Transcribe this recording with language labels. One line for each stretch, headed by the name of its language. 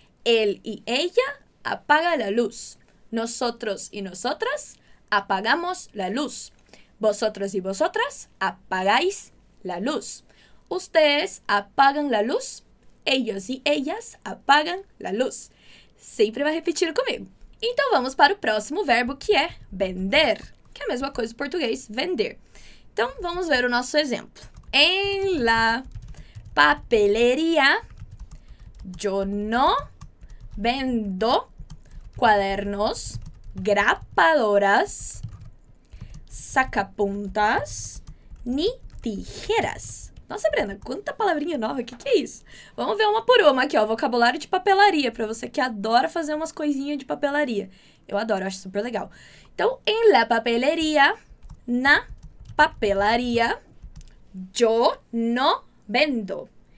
Spanish: Él y ella apaga la luz. Nosotros y nosotras apagamos la luz. Vosotros y vosotras apagáis la luz. Ustedes apagan la luz. Ellos y ellas apagan la luz. Siempre va a repetir conmigo.
Portuguese: Então vamos para o próximo verbo, que é vender. Que é a mesma coisa em português, vender. Então vamos ver o nosso exemplo.
Spanish: En la papelería, yo no vendo cuadernos, grapadoras, sacapuntas, ni tijeras.
Portuguese: Nossa, Brenda, quanta palavrinha nova, que é isso? Vamos ver uma por uma aqui, ó, vocabulário de papelaria, pra você que adora fazer umas coisinhas de papelaria. Eu adoro, acho super legal.
Spanish: Então, en la papelería,
Portuguese: na papelaria,
Spanish: yo no vendo.